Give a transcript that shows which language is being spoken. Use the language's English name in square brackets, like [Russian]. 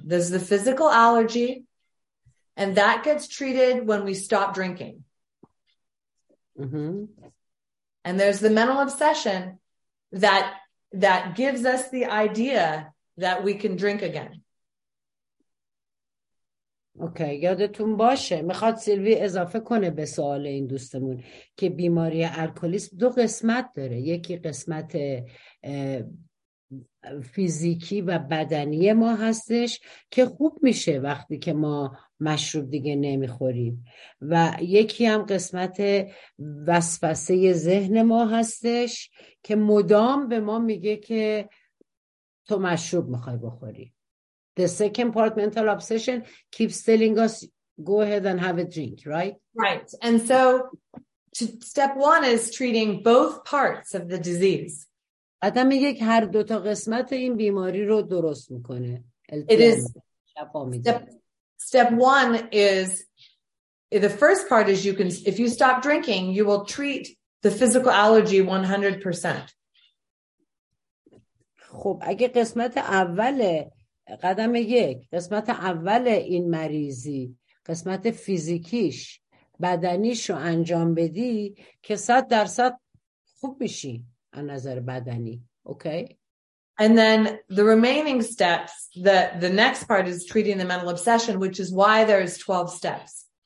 [English] There's the physical allergy, and that gets treated when we stop drinking. Mm-hmm. And there's the mental obsession that gives us the idea that we can drink again. Okay okay. [Persian] یادتون باشه میخواد سیلوی اضافه کنه به سوال این دوستمون که بیماری الکلیسم دو قسمت داره، یکی قسمت فیزیکی و بدنی ما هستش که خوب میشه وقتی که ما مشروب دیگه نمیخوریم، و یکی هم قسمت وسوسه ذهن ما هستش که مدام به ما میگه که تو مشروب میخوای بخوری. [English] The second part, mental obsession, keeps telling us, go ahead and have a drink, right? Right. And so step one is treating both parts of the disease. [Persian] آدم میگه که هر دو تا قسمت این بیماری رو درست میکنه. [English] It is. Step one is, the first part is, you can, if you stop drinking, you will treat the physical allergy 100%. [Persian] خب اگه قسمت اوله، قدم یک، قسمت اول این مریضی، قسمت فیزیکیش، بدنیش رو انجام بدی که 100% خوب بشی از نظر بدنی. اوکی؟ [English] And then the remaining steps, the next part is treating the mental obsession, which is why there is 12 steps.